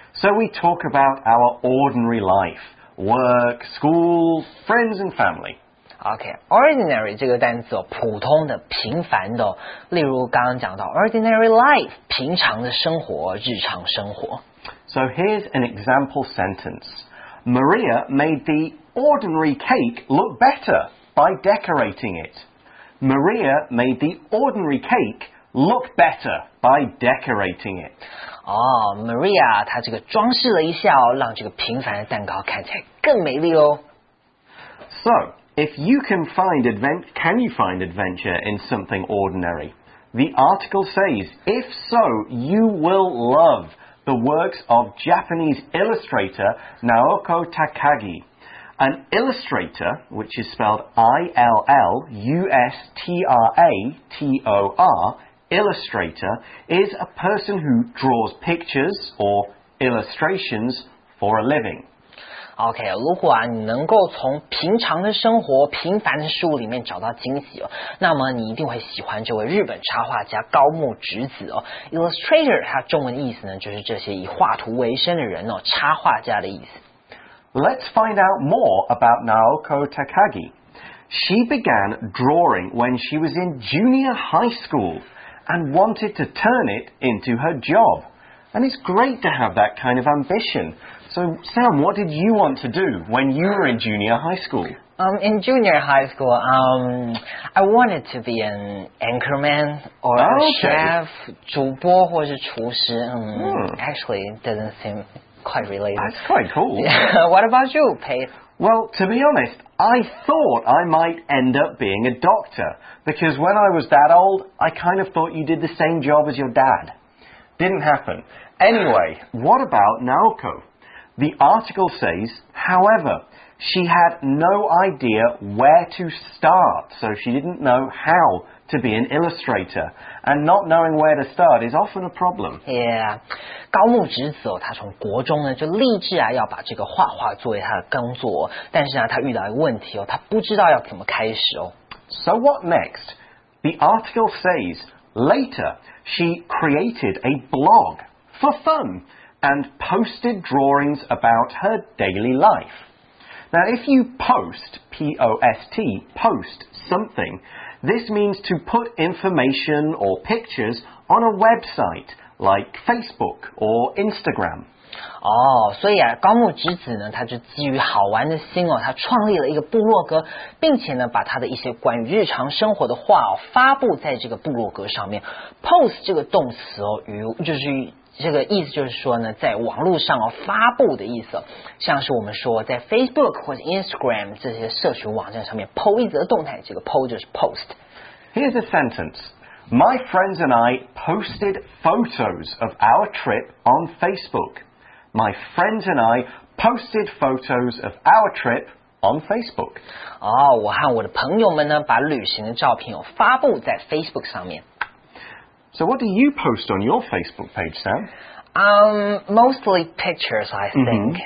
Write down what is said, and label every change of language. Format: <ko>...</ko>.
<en>So we talk about our ordinary life, work, school, friends and family.</en> <zh>Okay, ordinary 这个单词、哦、普通的平凡的、哦、例如刚刚讲到 ordinary life 平常的生活日常生活</zh> <en>So here's an example sentence Maria made the ordinary cake look better by decorating it Maria made the ordinary cake look better by decorating it</en> <zh>Maria 她这个装饰了一下、哦、让这个平凡的蛋糕看起来更美丽哦</zh> <en>SoIf you can find adventure, can you find adventure in something ordinary? The article says, if so, you will love the works of Japanese illustrator Naoko Takagi. An illustrator, which is spelled I-L-L-U-S-T-R-A-T-O-R, illustrator, is a person who draws pictures or illustrations for a living.</en> <zh>OK, 如果、啊、你能够从平常的生活、平凡的事物里面找到惊喜、哦、那么你一定会喜欢这位日本插画家高木直子、哦、Illustrator, 它中文意思呢就是这些以画图为生的人、哦、插画家的意思</zh> <en>Let's find out more about Naoko Takagi She began drawing when she was in junior high school and wanted to turn it into her job And it's great to have that kind of ambitionSo, Sam, what did you want to do when you were in junior high school? In junior high school, I wanted to be an anchorman or a chef,</en> <zh>主播或是厨师</zh> <en>Actually, it doesn't seem quite related. That's quite cool. What about you, Paige? Well, to be honest, I thought I might end up being a doctor, because when I was that old, I kind of thought you did the same job as your dad. Didn't happen. Anyway, what about Naoko? The article says, however, she had no idea where to start, so she didn't know how to be an illustrator. And not knowing where to start is often a problem.</en> <zh>Yeah, 高木直子、哦、他从国中呢就立志、啊、要把这个画画作为他的工作、哦、但是、啊、他遇到一个问题、哦、他不知道要怎么开始、哦、</zh> <en>So what next? The article says, later, she created a blog for fun. And posted drawings about her daily life. Now, if you post, P-O-S-T, post something, this means to put information or pictures on a website, like Facebook or Instagram.</en> <zh>哦、oh, ，所以啊，高木直子呢，他就基于好玩的心哦，他创立了一个部落格，并且呢，把他的一些关于日常生活的话哦，发布在这个部落格上面。 Post 这个动词哦，与就是这个意思就是说呢，在网络上哦发布的意思、哦。像是我们说在 Facebook 或者 Instagram 这些社群网站上面 po 一则动态，这个 po 就是 post。</zh> <en>Here's a sentence. My friends and I posted photos of our trip on Facebook. My friends and I posted photos of our trip on Facebook.</en> <zh>Oh, 我和我的朋友们呢，把旅行的照片发布在 Facebook 上面。</zh> <en>So what do you post on your Facebook page, Sam? Mostly pictures, I think.</en>